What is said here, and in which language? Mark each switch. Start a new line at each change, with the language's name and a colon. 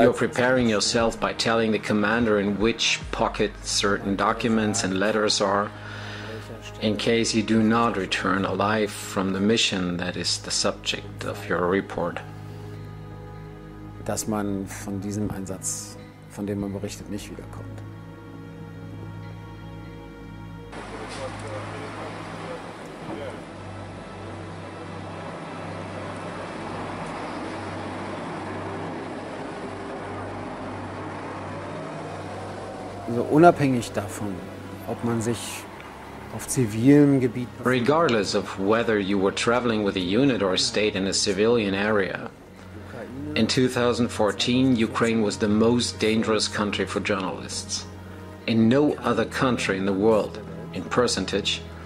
English: You're preparing yourself by telling the commander in which pocket certain documents and letters are, in case you do not return alive from the mission that is the subject of your report.
German: Dass man von diesem Einsatz, von dem man berichtet, nicht wiederkommt. Also unabhängig davon, ob man sich auf zivilem Gebiet befindet.
English: Regardless of whether you were traveling with a unit or stayed in a civilian area, in 2014 Ukraine was the most dangerous country for journalists. In no other country in the world, in percentage,